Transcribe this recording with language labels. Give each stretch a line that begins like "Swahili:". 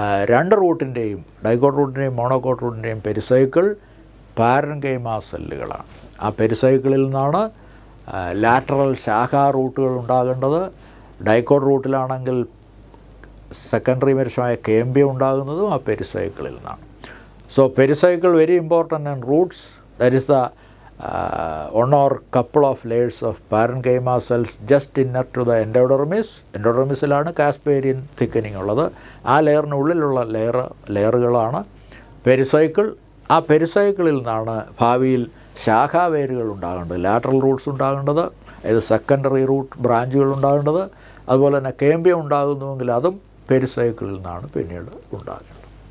Malayalam: രണ്ട് റൂട്ടിൻ്റെയും, dicot റൂട്ടിൻ്റെയും monocot റൂട്ടിൻ്റെയും pericycle parenchyma സെല്ലുകളാണ്. ആ പെരിസൈക്കിളിൽ നിന്നാണ് ലാറ്ററൽ ശാഖാ റൂട്ടുകൾ ഉണ്ടാകേണ്ടത്. ഡൈക്കോട്ട് റൂട്ടിലാണെങ്കിൽ സെക്കൻഡറി മെരിസ്റ്റമായ കേംബിയം ഉണ്ടാകുന്നതും ആ പെരിസൈക്കിളിൽ നിന്നാണ്.
English: So pericycle very important and roots. That is the one or couple of layers of parenchyma cells just inner to the endodermis. Endodermis is Casparian thickening. That layer is the layer. Pericycle.
Malayalam: ആ പെരിസൈക്കിളിൽ നിന്നാണ് ഭാവിയിൽ ശാഖാവേരുകൾ ഉണ്ടാകേണ്ടത്, lateral Roots ഉണ്ടാകേണ്ടത്, അതായത് secondary root ബ്രാഞ്ചുകൾ ഉണ്ടാകേണ്ടത്, അതുപോലെ തന്നെ കേംബിയം ഉണ്ടാകുന്നുവെങ്കിൽ അതും പെരിസൈക്കിളിൽ നിന്നാണ് പിന്നീട് ഉണ്ടാകുന്നത്.